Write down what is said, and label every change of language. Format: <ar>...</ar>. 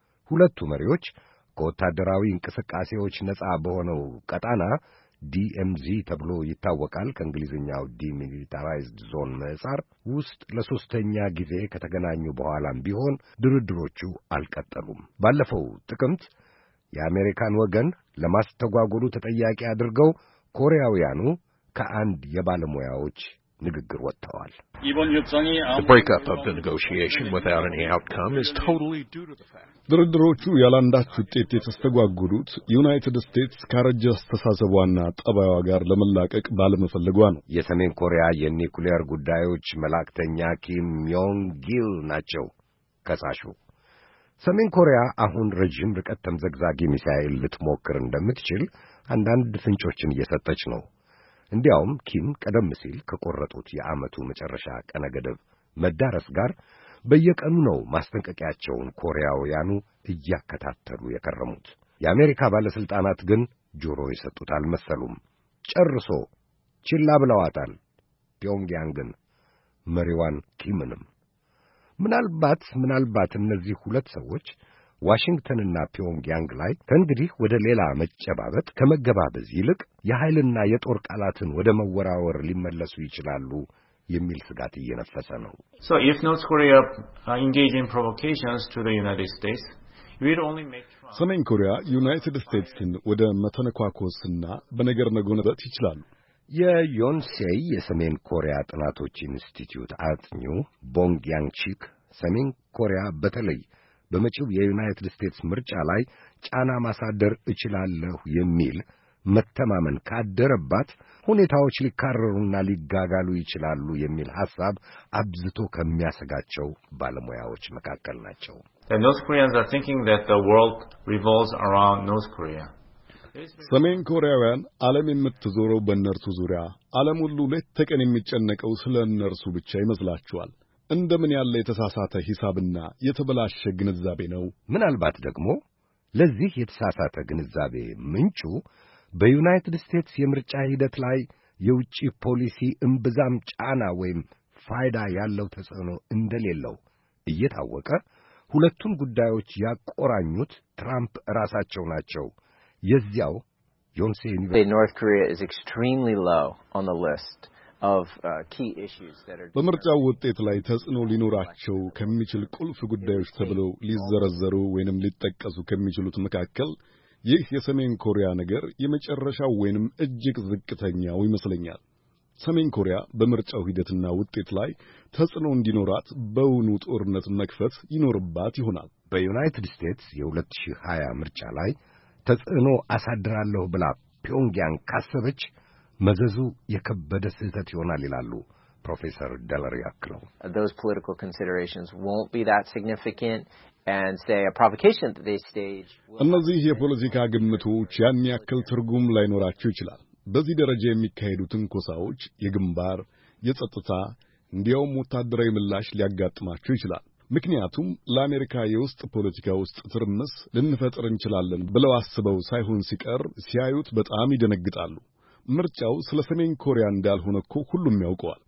<am>ሁለቱ መሪዎች ከወታደራዊ እንቅስቃሴዎች ነጻ በሆነው ቀጣና ዲኤምዚ ተብሎ ይታወቃል፣ ከእንግሊዝኛው ዲሚሊታራይዝድ ዞን ምሕጻር ውስጥ ለሦስተኛ ጊዜ ከተገናኙ በኋላም ቢሆን ድርድሮቹ አልቀጠሉም። ባለፈው ጥቅምት የአሜሪካን ወገን ለማስተጓጎሉ ተጠያቂ አድርገው ኮሪያውያኑ ከአንድ የባለሙያዎች ንግግር ወጥተዋል።</am> <en>The breakup of the negotiation without any outcome is totally due to the fact.</en> <am>ድርድሮቹ ያላንዳች ውጤት የተስተጓጉሉት ዩናይትድ ስቴትስ ካረጀ አስተሳሰቧና ጠባዩዋ ጋር ለመላቀቅ ባለመፈለጓ ነው። የሰሜን ኮሪያ የኒኩሌር ጉዳዮች መላክተኛ ኪም ዮንግ ጊል ናቸው ከሳሹ። ሰሜን ኮሪያ አሁን ረጅም ርቀት ተምዘግዛጊ ሚሳኤል ልትሞክር እንደምትችል አንዳንድ ፍንጮችን እየሰጠች ነው። እንዲያውም ኪም ቀደም ሲል ከቆረጡት የዓመቱ መጨረሻ ቀነ ገደብ መዳረስ ጋር በየቀኑ ነው ማስጠንቀቂያቸውን ኮሪያውያኑ እያከታተሉ የከረሙት። የአሜሪካ ባለሥልጣናት ግን ጆሮ የሰጡት አልመሰሉም። ጨርሶ ችላ ብለዋታል ፒዮንግያንግን፣ መሪዋን ኪምንም። ምናልባት እነዚህ ሁለት ሰዎች ዋሽንግተን እና ፒዮንግያንግ ላይ ከእንግዲህ ወደ ሌላ መጨባበት ከመገባበዝ ይልቅ የኃይልና የጦር ቃላትን ወደ መወራወር ሊመለሱ ይችላሉ የሚል ስጋት እየነፈሰ ነው።</am> <en>So if North Korea engages in provocations to the United States, we'd only make trouble.</en> <am>ሰሜን ኮሪያ ዩናይትድ ስቴትስን ወደ መተነኳኮስና በነገር መጎነበት ይችላሉ። የዮንሴይ የሰሜን ኮሪያ ጥናቶች ኢንስቲትዩት አጥኚ ቦንግያንግቺክ ሰሜን ኮሪያ በተለይ በመጪው የዩናይትድ ስቴትስ ምርጫ ላይ ጫና ማሳደር እችላለሁ የሚል መተማመን ካደረባት ሁኔታዎች ሊካረሩና ሊጋጋሉ ይችላሉ የሚል ሐሳብ አብዝቶ ከሚያሰጋቸው ባለሙያዎች መካከል ናቸው።</am> <en>The North Koreans are thinking that the world revolves around North Korea.</en> <am>ሰሜን ኮሪያውያን ዓለም የምትዞረው በእነርሱ ዙሪያ ዓለም ሁሉ ለት ተቀን የሚጨነቀው ስለ እነርሱ ብቻ ይመስላቸዋል። እንደምን ያለ የተሳሳተ ሂሳብና የተበላሸ ግንዛቤ ነው። ምናልባት ደግሞ ለዚህ የተሳሳተ ግንዛቤ ምንጩ በዩናይትድ ስቴትስ የምርጫ ሂደት ላይ የውጪ ፖሊሲ እምብዛም ጫና ወይም ፋይዳ ያለው ተጽዕኖ እንደሌለው እየታወቀ ሁለቱን ጉዳዮች ያቆራኙት ትራምፕ ራሳቸው ናቸው። የዚያው ዮንሴ ዩኒቨርሲቲ</am> <en>North Korea is extremely low on the list of key issues that are</en> <am>በመርጫው ውጤት ላይ ተጽዕኖ ሊኖራቸው ከሚችል ቁልፍ ጉዳዮች ተብለው ሊዘረዘሩ ወይንም ሊጠቀሱ ከሚችሉት መካከል ይህ የሰሜን ኮሪያ ነገር የመጨረሻው ወይንም እጅግ ዝቅተኛው ይመስለኛል። ሰሜን ኮሪያ በመርጫው ሂደትና ውጤት ላይ ተጽዕኖ እንዲኖራት በእውኑ ጦርነት መክፈት ይኖርባት ይሆናል። በዩናይትድ ስቴትስ የ2020 ምርጫ ላይ ተጽዕኖ አሳድራለሁ ብላ ፒዮንግያንግ ካሰበች መዘዙ የከበደ ስህተት ይሆናል ይላሉ ፕሮፌሰር ደለሪ አክለው።</am> <en>Those political considerations won't be that significant and say a provocation that they stage</en> <am>እነዚህ የፖለቲካ ግምቶች ያን ያክል ትርጉም ላይኖራቸው ይችላል። በዚህ ደረጃ የሚካሄዱትን ኮሳዎች የግንባር የጸጥታ እንዲያውም ወታደራዊ ምላሽ ሊያጋጥማቸው ይችላል። ምክንያቱም ለአሜሪካ የውስጥ ፖለቲካ ውስጥ ትርምስ ልንፈጥር እንችላለን ብለው አስበው ሳይሆን ሲቀር ሲያዩት በጣም ይደነግጣሉ። ምርጫው ስለ ሰሜን ኮሪያ እንዳልሆነ እኮ ሁሉም ያውቀዋል።</am>